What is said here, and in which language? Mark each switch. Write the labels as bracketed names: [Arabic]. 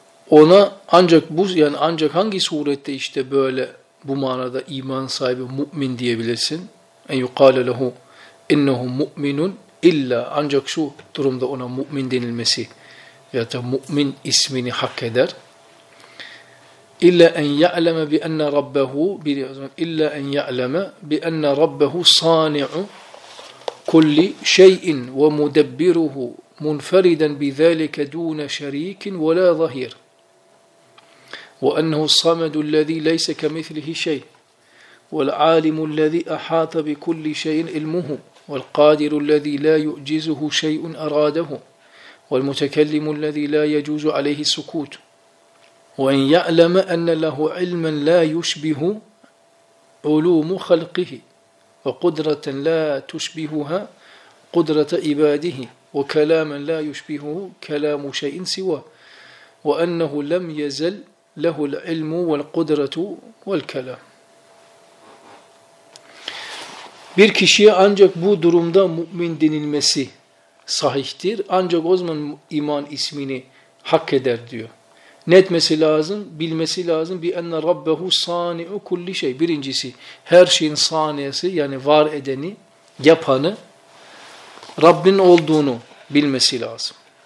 [Turkish] Ona ancak bu, yani ancak hangi surette işte böyle bu manada iman sahibi mümin diyebilirsin? [Arabic] En yukale lehu اِنَّهُ مُؤْمِنٌ اِلَّا [Turkish] ancak şu durumda ona mümin denilmesi ya da mümin ismini hak eder. [Arabic] اِلَّا اَنْ يَعْلَمَ بِأَنَّ رَبَّهُ اِلَّا اَنْ يَعْلَمَ بِأَنَّ رَبَّهُ صَانِعُ كُلِّ شَيْءٍ وَمُدَبِّرُهُ مُنْفَرِدًا بِذَلِكَ دُونَ شَرِيكٍ وَلَا ظَهِيرٍ وَأَنَّهُ الصَّمَدُ الَّذِي لَيْسَ كَمِثْلِهِ شَيْءٍ والعالم الذي أحاط بكل شيء علمه والقادر الذي لا يعجزه شيء أراده والمتكلم الذي لا يجوز عليه السكوت وإن يعلم أن له علما لا يشبه علوم خلقه وقدرة لا تشبهها قدرة عباده وكلاما لا يشبهه كلام شيء سواه وأنه لم يزل له العلم والقدرة والكلام. [Turkish] Bir kişiye ancak bu durumda mümin denilmesi sahihtir. Ancak o zaman iman ismini hak eder diyor. Ne etmesi lazım? Bilmesi lazım. [Arabic] Bi enne rabbehu sani'u kulli şey. [Turkish] Birincisi, her şeyin saniyesi, yani var edeni, yapanı, Rabbin olduğunu bilmesi lazım.